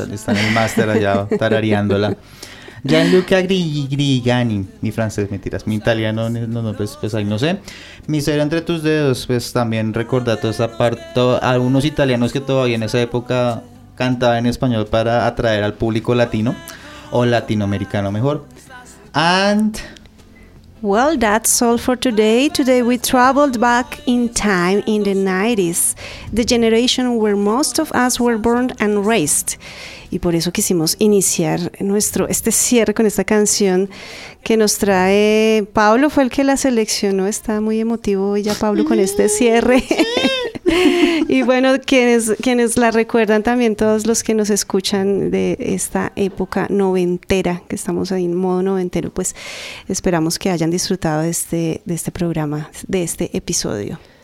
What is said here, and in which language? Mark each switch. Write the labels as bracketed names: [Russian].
[Spanish] Está en el máster allá tarareándola. Gianluca Grigani, mi francés, mentiras, mi italiano, pues ahí no sé. Misterio entre tus dedos, pues también recuerda toda esa parte, algunos italianos que todavía en esa época cantaban en español para atraer al público latino, o latinoamericano mejor. [English] And... Well, that's all for today. Today we traveled back in time in the 90s, the generation where most of us were born and raised. [Spanish] Y por eso quisimos iniciar este cierre con esta canción que nos trae Pablo, fue el que la seleccionó, está muy emotivo hoy ya Pablo con este cierre. Y bueno, quienes la recuerdan también, todos los que nos escuchan de esta época noventera, que estamos ahí en modo noventero, pues esperamos que hayan disfrutado de este programa, de este episodio.